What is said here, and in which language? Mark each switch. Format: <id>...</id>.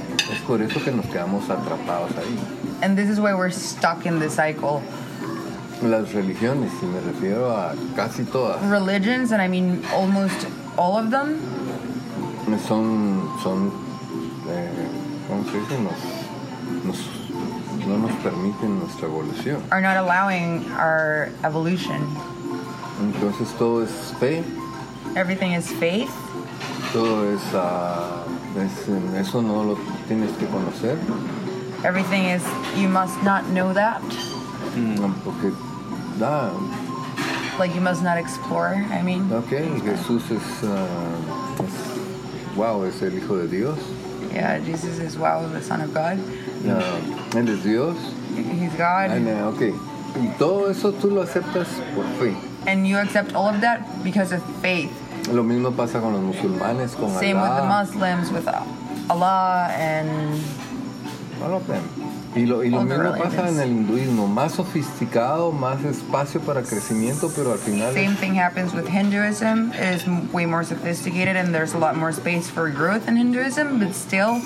<es>Es por eso que nos quedamos atrapados ahí.</es> <en>And this is why we're stuck in the cycle.</en> <es>Las religiones, y me refiero a casi todas.</es> <en>Religions, and I mean almost all of them.</en> <es>Son, ¿cómo se dice? No nos permiten nuestra evolución.</es> <en>Are not allowing our evolution.</en> <es>Entonces todo es fe.</es> <en>Everything is faith.</en> <es>Todo es, eso no lo tienes que conocer.</es> <en>Everything is, you must not know that.</en> <es>Porque, da.</es> <en>Like you must not explore, I mean.</en> <es>Okay, Jesús es, es el Hijo de Dios.</es> <en>Yeah, Jesus is, the Son of God.</en> <es>Él es Dios.</es> <en>He's God. Okay.</en> <es>Y todo eso tú lo aceptas por fe.</es> <en>And you accept all of that because of faith.</en> <es>Lo mismo pasa con los musulmanes, con</es> <en>Allah. Same with the Muslims, with Allah and all of them.</en> <es>Y lo mismo pasa en el hinduismo. Más sofisticado, más espacio para crecimiento, pero al final.</es> <en>Same thing happens with Hinduism. It is way more sophisticated and there's a lot more space for growth in Hinduism, but still.</en>